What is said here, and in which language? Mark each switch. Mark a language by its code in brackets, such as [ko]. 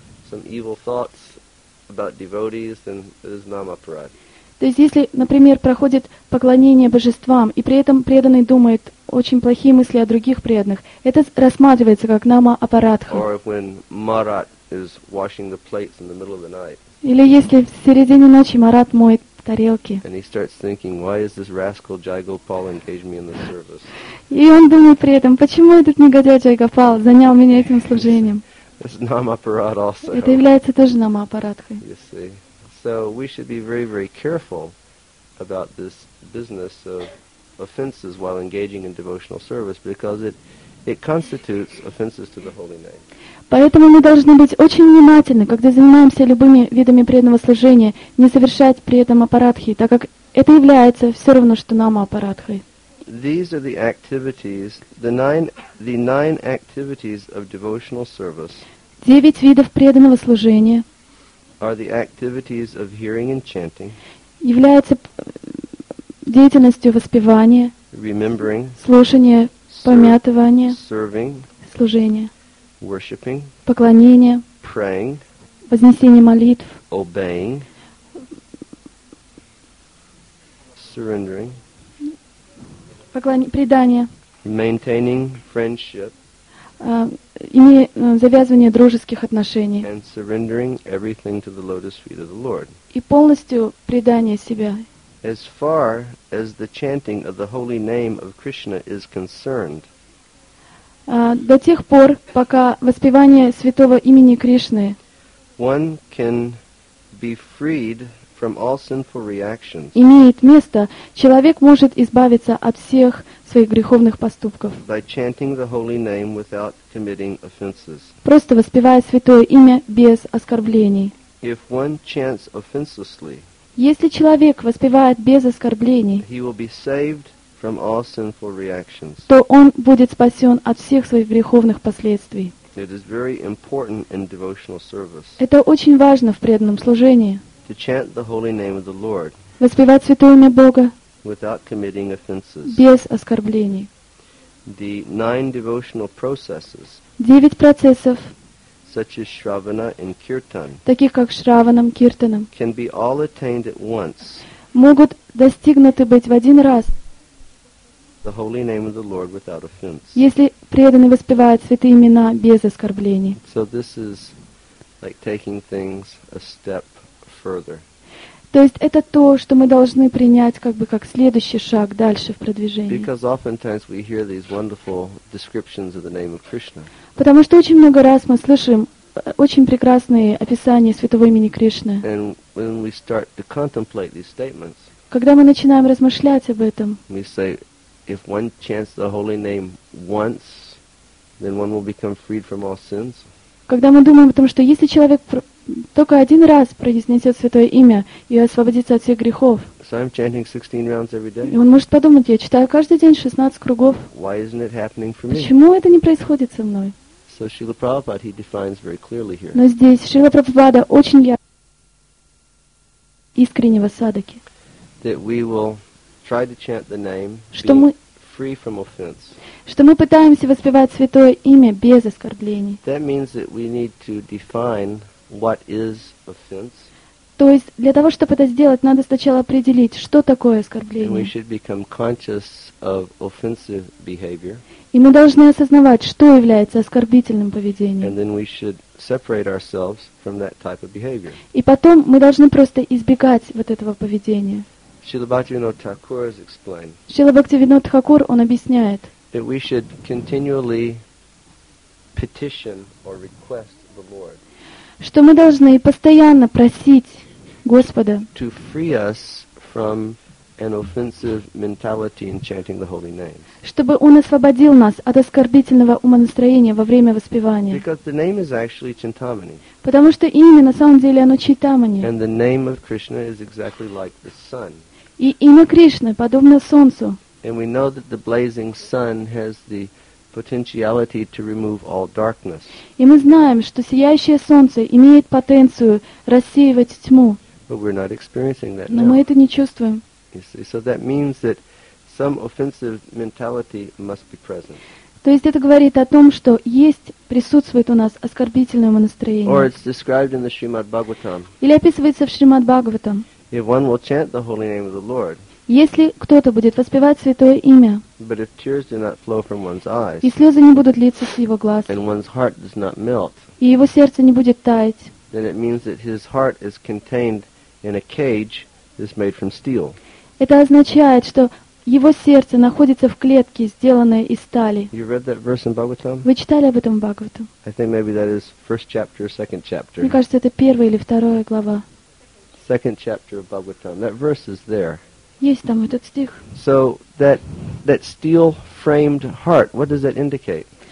[ru] То есть если, например, проходит поклонение божествам, и при этом преданный думает очень плохие мысли о других преданных, это рассматривается как нама аппаратха. Или если в середине ночи Марат моет тарелки. [en] And he starts thinking, why is this rascal Jai Gopal engaged me in the service? [ru] И он думает при этом, почему этот негодяй Джай Гопал занял меня этим служением? [en] It's nama-aparadha also. [ru] Это является тоже нама-аппаратхой. [en] You see. So we should be very, very careful about this business of offenses while engaging in devotional service, because it constitutes offenses to the holy name. [ru] Поэтому мы должны быть очень внимательны, когда занимаемся любыми видами преданного служения, не совершать при этом апарадхи, так как это является все равно, что нама апарадхой. [en] These are the activities, the nine activities of devotional service. [ru] 9 видов преданного служения. [en] Are the activities of hearing and chanting. [ru] Является деятельностью воспевания. [en] Remembering. [ru] Слушание. Помятывание. [en] Serving. [ru] Служение. [en] Worshipping, [ru] поклонение, [en] praying, [ru] вознесение молитв, [en] obeying, surrendering, [ru] предание, [en] maintaining friendship, [ru] завязывание дружеских отношений, [en] and surrendering everything to the lotus feet of the Lord. [ru] И полностью предание себя. [en] As far as the chanting of the holy name of Krishna is concerned. [ru] До тех пор, пока воспевание святого имени Кришны. [en] One can be freed from from all sinful reactions. [ru] Имеет место, человек может избавиться от всех своих греховных поступков. [en] By chanting the holy name without committing offenses. [ru] Просто воспевая святое имя без оскорблений. [en] If one chants offenselessly, [ru] если человек воспевает без оскорблений, [en] he will be saved from all sinful reactions. [ru] То он будет спасен от всех своих греховных последствий. [en] It is very important in devotional service. [ru] Это очень важно в преданном служении. [en] To chant the holy name of the Lord. [ru] Воспевать святое имя Бога. [en] Without committing offenses. [ru] Без оскорблений. [en] The nine devotional processes. [ru] Девять процессов. [en] Such as shravana and kirtan. [ru] Таких как шраванам, киртанам. [en] Can be all attained at once. [ru] Могут достигнуты быть в один раз. [en] The holy name of the Lord without offense. [ru] Если преданный воспевает святые имена без оскорблений. [en] So this is like taking things a step further. [ru] То есть это то, что мы должны принять как бы как следующий шаг дальше в продвижении. [en] Because oftentimes we hear these wonderful descriptions of the name of Krishna. [ru] Потому что очень много раз мы слышим очень прекрасные описания святого имени Кришны. [en] And when we start to contemplate these statements. [ru] Когда мы начинаем размышлять об этом. [en] We say, if one chants the holy name once, then one will become freed from all sins. [ru] Когда мы думаем о том, что если человек только один раз произнесет святое имя и освободится от всех грехов, [en] so I'm chanting 16 rounds every day. [ru] Он может подумать, я читаю каждый день 16 кругов. [en] Why isn't it happening for me? [ru] Почему это не происходит со мной? [en] So Srila Prabhupada, he defines very clearly here. [ru] Но здесь Шрила Прабхупада очень ясно искреннего садаки. [en] That we will try to chant the name, [ru] что мы, [en] free from offense. [ru] Что мы пытаемся воспевать святое имя без оскорблений. [en] That means that we need to define what is offense. [ru] То есть для того, чтобы это сделать, надо сначала определить, что такое оскорбление. [en] And we should become conscious of offensive behavior. [ru] И мы должны осознавать, что является оскорбительным поведением. [en] And then we should separate ourselves from that type of behavior. [ru] И потом мы должны просто избегать вот этого поведения. [en] Srila Bhaktivinoda Thakur has explained. [ru] Srila Bhaktivinoda Thakur, он объясняет. [en] That we should continually petition or request the Lord. [ru] Что мы должны постоянно просить Господа. [en] To free us from an offensive mentality in chanting the holy name. [ru] Чтобы он освободил нас от оскорбительного умонастроения во время воспевания. [en] Because the name is actually Chintamani. [ru] Потому что имя на самом деле оно Чайтамани. [en] And the name of Krishna is exactly like the sun. [ru] И имя Кришны подобно солнцу. [en] And we know that the blazing sun has the potentiality to remove all darkness. [ru] И мы знаем, что сияющее солнце имеет потенцию рассеивать тьму. [en] But we're not experiencing that [ru] now. Но мы это не чувствуем. [en] So that means that some offensive mentality must be present. [ru] То есть это говорит о том, что есть, присутствует у нас оскорбительное умонастроение. [en] Or it's described in the Srimad Bhagavatam. [ru] Или описывается в Шримад Бхагаватам. [en] If one will chant the holy name of the Lord, [ru] если кто-то будет воспевать святое имя, [en] but if tears do not flow from one's eyes, [ru] и слезы не будут литься с его глаз, [en] and one's heart does not melt, [ru] и его сердце не будет таять, [en] then it means that his heart is contained in a cage that's made from steel. [ru] Это означает, что его сердце находится в клетке, сделанной из стали. [en] You read that verse in Bhagavatam? [ru] Вы читали об этом в Бхагаватам? [en] I think maybe that is first chapter or second chapter. [ru] Мне кажется, это первая или вторая глава. [en] Second chapter of Bhagavatam. That verse is there. [ru] Есть там этот стих. [en] So that steel framed heart, what does that indicate?